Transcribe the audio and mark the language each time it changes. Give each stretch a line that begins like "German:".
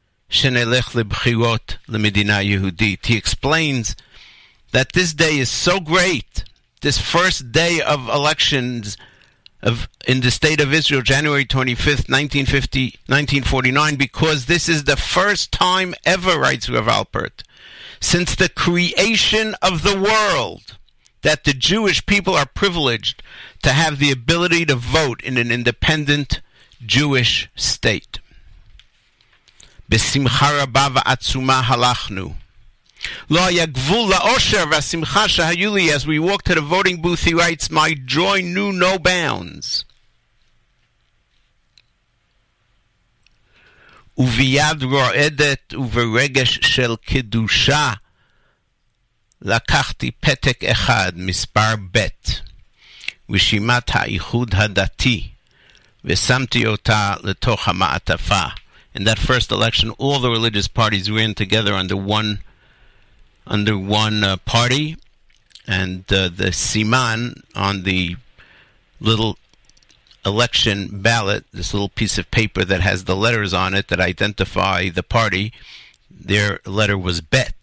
Hebrew: שנלך לבחירות למדינה יהודית.
English: He explains that this day is so great, this first day of elections of in the state of Israel, January 25th, 1949, because this is the first time ever, writes Rav Alpert, since the creation of the world, that the Jewish people are privileged to have the ability to vote in an independent Jewish state.
Hebrew: בשמחה רבה ועצומה הלכנו. לא היה גבול לאושר והשמחה שהיו לי.
English: As we walked to the voting booth, he writes, my joy knew no bounds.
Hebrew: וביד רועדת וברגש של קדושה לקחתי פתק אחד, מספר ב', רשימת האיחוד הדתי, ושמתי אותה לתוך המעטפה.
English: In that first election, all the religious parties ran together under one party, and the siman on the little election ballot, this little piece of paper that has the letters on it that identify the party, their letter was bet.